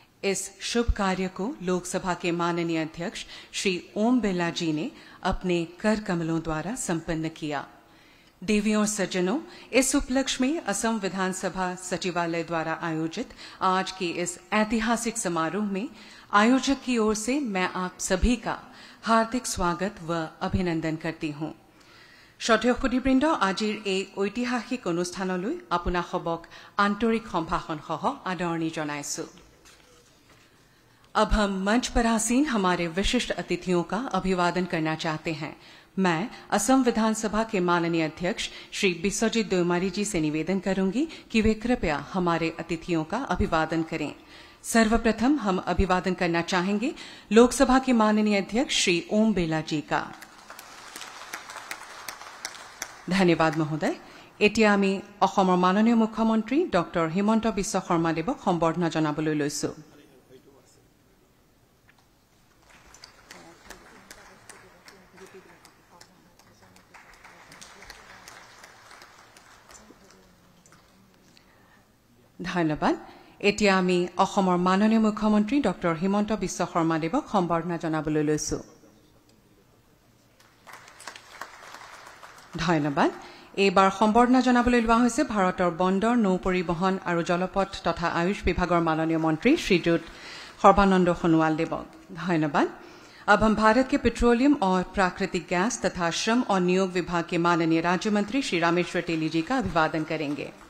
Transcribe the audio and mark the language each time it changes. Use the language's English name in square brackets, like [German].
[Hindi] इस शुभ कार्य को लोकसभा के माननीय अध्यक्ष श्री ओम बिरला जी ने अपने कर कमलों द्वारा संपन्न किया। देवियों सज्जनों, इस उपलक्ष में असम विधानसभा सचिवालय द्वारा आयोजित आज के इस ऐतिहासिक समारोह में आयोजक की ओर से मैं आप सभी का हार्दिक स्वागत व अभिनंदन करती हूं। [Assamese] श्रोतृ কুটিবৃন্দ, আজির এই ঐতিহাসিক অনুষ্ঠানলৈ আপোনা সবক আন্তরিক সম্ভাষণ সহ আদরণি জনাইছো। [Hindi] अब हम मंच पर आसीन हमारे विशिष्ट अतिथियों का अभिवादन करना चाहते हैं। मैं असम विधानसभा के माननीय अध्यक्ष श्री बिस्वजीत दोईमारी जी से निवेदन करूंगी कि वे कृपया हमारे अतिथियों का अभिवादन करें। सर्वप्रथम हम अभिवादन करना चाहेंगे लोकसभा के माननीय अध्यक्ष श्री ओम बिरला जी का। धन्यवाद महोदय। [Assamese] এতিয়া আমি অসমৰ মাননীয় মুখ্যমন্ত্ৰী ডক্টৰ হিমন্ত বিশ্ব শৰ্মাদেৱক সম্বৰ্ধনা জনাবলৈ লৈছো। ধন্যবাদ। এতিয়া আমি অসমৰ মাননীয় মুখ্যমন্ত্ৰী ডক্টৰ হিমন্ত বিশ্ব শৰ্মাদেৱক সম্বৰ্ধনা জনাবলৈ লৈছো। ধন্যবাদ। এইবাৰ সম্বৰ্ধনা জনাবলৈ লোৱা হৈছে ভাৰতৰ বন্দৰ, নৌ পৰিবহণ আৰু জলপথ তথা আয়ুষ বিভাগৰ মাননীয় মন্ত্ৰী শ্ৰীযুত সৰ্বানন্দ সোণোৱালদেৱক। ধন্যবাদ। [Hindi] अब हम भारत के पेट्रोलियम और प्राकृतिक गैस तथा श्रम और नियोग विभाग के माननीय राज्य मंत्री श्री रामेश्वर तेली जी का अभिवादन करेंगे।